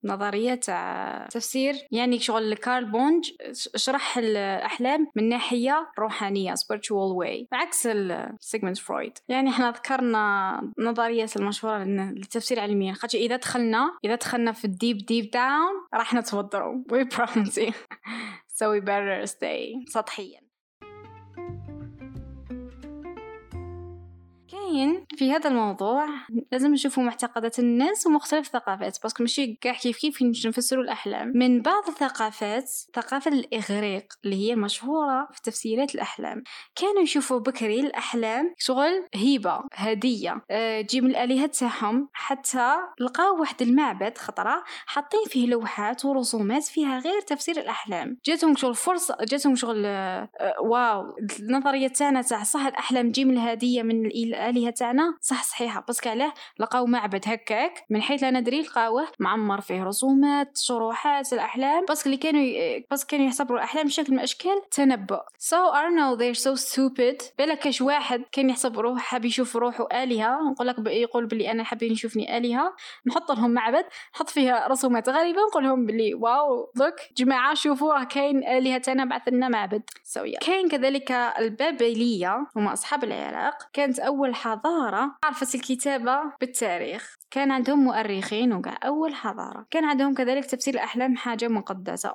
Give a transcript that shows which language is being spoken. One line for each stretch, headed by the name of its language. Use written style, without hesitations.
Arabic: نظريه تاع تفسير، يعني شغل كارل بونج شرح الاحلام من ناحيه روحانيه
English: spiritual way
Arabic: عكس سيغموند فرويد. يعني احنا ذكرنا نظرية المشهورة للتفسير علميا، خاطر اذا دخلنا في الديب ديب داون راح نتوضروا،
English: we promise you. So we better stay
Arabic: سطحيا. كاين في هذا الموضوع لازم نشوفوا معتقدات الناس ومختلف الثقافات، باسكو ماشي كاع كيف كيف نفسروا الاحلام. من بعض الثقافات، ثقافه الاغريق اللي هي مشهوره في تفسيرات الاحلام، كانوا يشوفوا بكري الاحلام شغل هيبه، هديه تجي من الالهه تاعهم. حتى لقاو واحد المعبد خطره حاطين فيه لوحات ورسومات فيها غير تفسير الاحلام، جاتهم شغل فرصه، جاتهم شغل واو، النظريه تاعنا تاع صح الاحلام تجي من الهديه من الآلهة تاعنا صح صحيحة. بس كعليه لقاو معبد هكاك من حيث لا ندري، لقاوه معمر فيه رسومات شروحات الأحلام، بس كانوا يحسبوا الأحلام بشكل من أشكال تنبؤ.
English: So I know they're so stupid.
Arabic: بلكش واحد كان يحسب روح، حاب يشوف روحه آلهة، نقولك يقول بلي أنا حاب يشوفني آلهة، نحط لهم معبد حط فيها رسومات غريبة، نقول لهم بلي واو لوك جماعة شوفوا كاين آلهة تاعنا بعث لنا معبد.
English: So yeah.
Arabic: كان كذلك البابلية، هم أصحاب العراق، كانت أول حضارة عرفت الكتابة بالتاريخ، كان عندهم مؤرخين وكاع، أول حضارة كان عندهم كذلك تفسير الأحلام حاجة مقدسة.